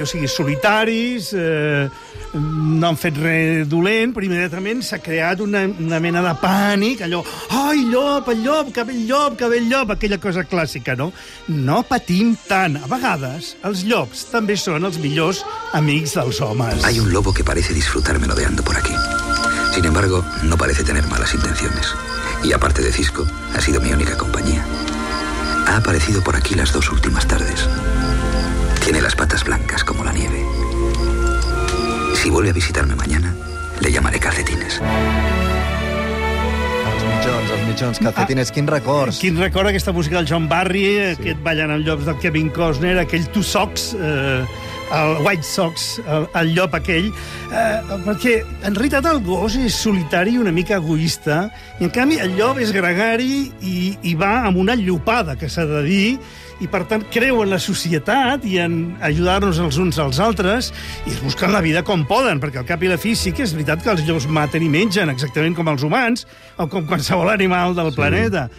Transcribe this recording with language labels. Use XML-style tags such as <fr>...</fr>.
<ca>O sigui, solitaris, no han fet res dolent, però immediatament s'ha creat una mena de pànic, allò... Ai, llop, el llop, que ve el llop, que ve el llop, aquella cosa clàssica, no? No patim tant. A vegades, els llops també són els millors amics dels homes.</ca> <es>Hay un lobo que parece disfrutar merodeando por aquí. Sin embargo, no parece tener malas intenciones. Y aparte de Cisco, ha sido mi única compañía. Ha aparecido por aquí las dos últimas tardes. Tiene las patas blancas como la nieve. Si vuelve a visitarme mañana, le llamaré Calcetines.</es> <ca>Els mitjons, Calcetines, quin record. Quin record, aquesta música del John Barry, aquest ballant amb llops del Kevin Costner, aquell Two Socks... el White Sox, el llop aquell, perquè en realitat el gos és solitari i una mica egoista, i en canvi el llop és gregari i va amb una llopada, que s'ha de dir, i per tant creu en la societat i en ajudar-nos els uns als altres i es busquen la vida com poden, perquè al cap i la fi sí que és veritat que els llops maten i mengen, exactament com els humans o com qualsevol animal del planeta.</ca>